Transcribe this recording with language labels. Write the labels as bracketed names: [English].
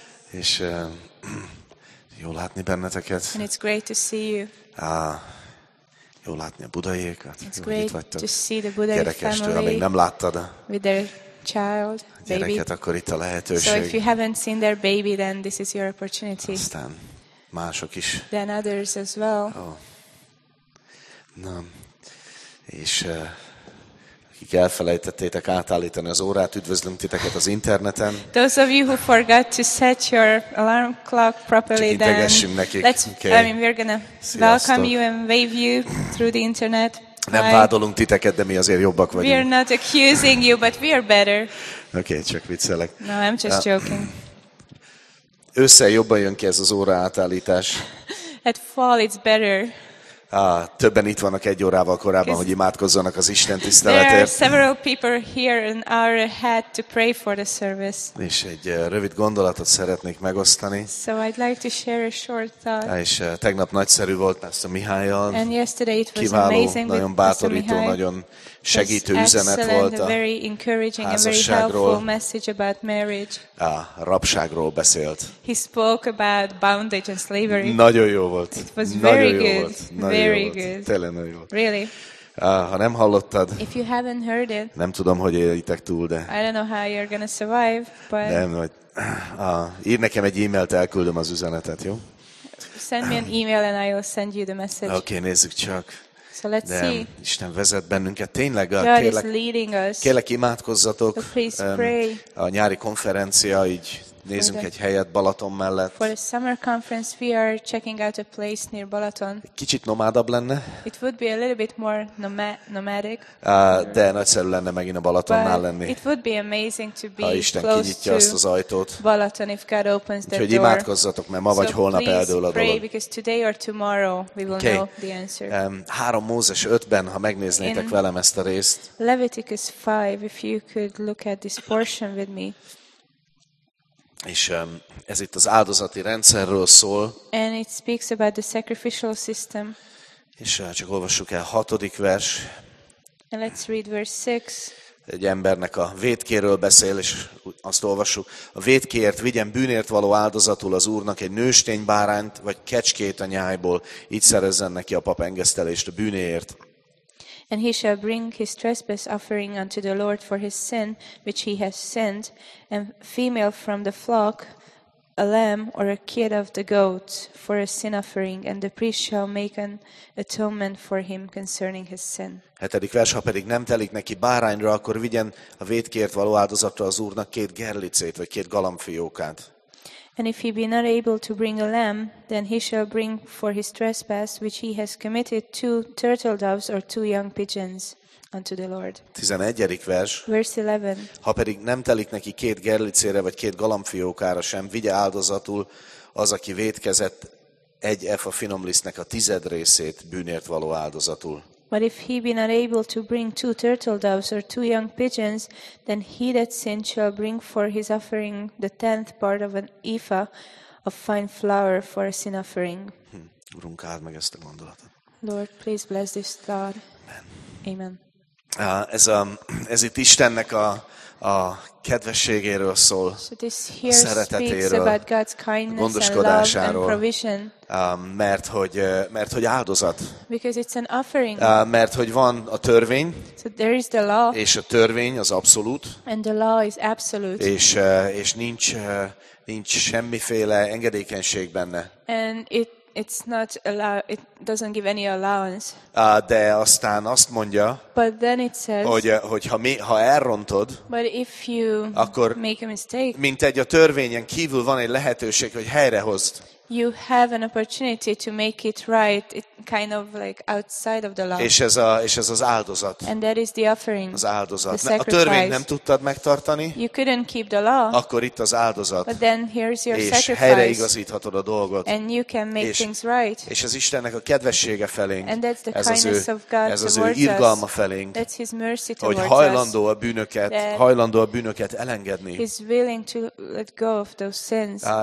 [Hungarian] És jól látni benneteket. [English] And it's great to see you. [Hungarian] Jól látni a budaiékat. [English] It's great to see the Budai family. [Hungarian] Ha még nem láttad a [English] with their child, baby. [Hungarian] Gyereket, akkor itt a lehetőség. [English] So if you haven't seen their baby, then this is your opportunity. [Hungarian] Aztán mások is. [English] Then others as well. Oh. [Hungarian] Na, és akik elfelejtettétek átállítani az órát, üdvözlünk titeket az interneten. [English] Those of you who forgot to set your alarm clock properly, [Hungarian] then idegessünk nekik. [English] We're gonna welcome you and wave you through the internet. [Hungarian] Nem vádolunk titeket, de mi azért jobbak vagyunk. [English] We are not accusing you, but we are better. [Hungarian] Okay, csak viccelek. [English] No, I'm just joking. [Hungarian] Ősszel jobban jön ki ez az óra átállítás. [English] At fall it's better. [Hungarian] Többen itt vannak egy órával korábban, hogy imádkozzanak az Isten tiszteletért. [English] There are several people here an hour ahead to pray for the service. [Hungarian] És egy rövid gondolatot szeretnék megosztani. [English] So I'd like to share a short thought. [Hungarian] És tegnap nagyszerű volt Pastor Mihályjal. [English] And yesterday it was [Hungarian] kiváló, [English] amazing. [Hungarian] Nagyon bátorító, nagyon segítő üzenet volt a [English] very encouraging and very helpful message about marriage. [Hungarian] A rabságról beszélt. [English] He spoke about bondage and slavery. [Hungarian] Nagyon jó volt. [English] It was [Hungarian] nagyon [English] very good. Very [Hungarian] good. Tényleg nagyon jó volt. [English] Really? [Hungarian] Ha nem hallottad, [English] if you haven't heard it, [Hungarian] nem tudom, hogy éljétek túl, de [English] I don't know how you're gonna survive, but [Hungarian] nem, hogy írd nekem egy e-mailt, elküldöm az üzenetet, jó? [English] Send me an email and I will send you the message. [Hungarian] Oké, okay, nézzük csak. [English] So let's [Hungarian] de [English] see. [Hungarian] Isten vezet bennünket. Tényleg, kérlek imádkozzatok. [English] So please pray. [Hungarian] A nyári konferencia, így nézzünk egy helyet Balaton mellett. [English] For the summer conference we are checking out a place near Balaton. [Hungarian] Kicsit nomádabb lenne. [English] It would be a little bit more nomadic. [Hungarian] De nagyszerű lenne megint a Balatonnál lenni. [English] It would be amazing to be close to Balaton if God opens that door. Balaton if God opens that door. [Hungarian] Úgyhogy imádkozzatok, mert ma vagy holnap eldől a dolog. [English] Because today or tomorrow we will know the answer. [Hungarian] 3 Mózes 5-ben, ha megnéznétek velem ezt a részt. [English] Leviticus 5, if you could look at this portion with me. [Hungarian] És ez itt az áldozati rendszerről szól. [English] And it speaks about the sacrificial system. [Hungarian] És csak olvassuk el 6. vers. [English] And let's read verse 6. [Hungarian] Egy embernek a vétkéről beszél, és azt olvassuk. A vétkéért vigyen bűnért való áldozatul az Úrnak egy nőstény bárányt, vagy kecskét a nyájból, így szerezzen neki a pap engesztelést a bűnéért. [English] And he shall bring his trespass offering unto the Lord for his sin, which he has sinned, and female from the flock, a lamb or a kid of the goat, for a sin offering, and the priest shall make an atonement for him concerning his sin. [Hungarian] 7. vers, ha pedig nem telik neki bárányra, akkor vigyen a vétkért való áldozatra az Úrnak 2 gerlicét, vagy 2 galambfiókát. [English] And if he be not able to bring a lamb, then he shall bring for his trespass, which he has committed, 2 turtle doves or 2 young pigeons unto the Lord. [Hungarian] 11. vers. [English] Verse 11. [Hungarian] Ha pedig nem telik neki 2 gerlicére vagy 2 galambfiókára sem, vigye áldozatul az, aki vétkezett, 1 efa finom lisztnek a 10. részét bűnért való áldozatul. [English] But if he be not able to bring 2 turtle doves or 2 young pigeons, then he that sinned shall bring for his offering the 10th part of an ephah of fine flour for a sin offering. [Hungarian] Urunk, áld meg ezt a gondolatot. [English] Lord, please bless this thought. Amen. [Hungarian] Ez itt Istennek a kedvességéről szól, [English] so this here [Hungarian] a szeretetéről, [English] about God's kindness [Hungarian] a gondoskodásáról, [English] and love and [Hungarian] mert hogy áldozat. [English] Because it's an offering. [Hungarian] Mert hogy van a törvény, [English] so there is the law, [Hungarian] és a törvény az abszolút, [English] and the law is absolute. [Hungarian] És nincs semmiféle engedékenység benne. [English] And it's not allow, it doesn't give any allowance. [Hungarian] De aztán azt mondja, [English] but then it says, [Hungarian] hogy ha elrontod, [English] but if you [Hungarian] akkor [English] make a mistake, [Hungarian] mint egy a törvényen kívül van egy lehetőség, hogy helyrehozd. [English] You have an opportunity to make it right, it kind of like outside of the law. [Hungarian] És ez az áldozat. [English] And that is the offering. [Hungarian] Az áldozat. [English] The sacrifice. [Hungarian] A törvényt nem tudtad megtartani. [English] You couldn't keep the law. [Hungarian] Akkor itt az áldozat. [English] But then here's your [Hungarian] és [English] sacrifice. [Hungarian] És helyreigazíthatod a dolgot. [English] And you can make things right. [Hungarian] És ez Istennek a kedvessége felénk. [English] And that's the kindness of God towards us. [Hungarian] Ez az ő irgalma felénk. [English] That's his mercy towards us. [Hungarian] Hogy hajlandó a bűnöket, elengedni. [English] He's willing to let go of those sins.